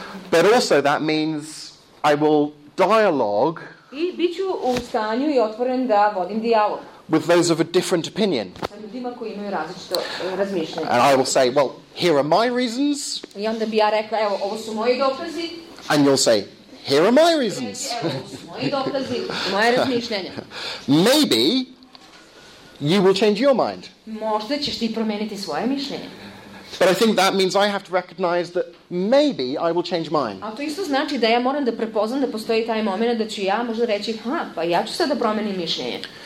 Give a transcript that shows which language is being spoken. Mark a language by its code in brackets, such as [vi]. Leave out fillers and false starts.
[en] But also that means I will dialogue. [sr] I bit ću u stanju I otvoren da vodim dijalog. [en] With those of a different opinion. [sr] Sa ljudima koji imaju različito razmišljanje. [en] And I will say, well, here are my reasons. [sr] I onda bi ja rekla, evo, ovo su moji dokazi. [en] And you'll say, here are my reasons. [sr] Evo, ovo su moji dokazi, moje razmišljanje. [en] Maybe you will change your mind. [sr] Možda ćeš ti promijeniti svoje mišljenje. [en] But I think that means I have to recognize that maybe I will change mine. [sr] A to isto znači da ja moram da prepoznam da postoji taj moment da ću ja možda reći, ha, pa ja ću sad da promenim mišljenje.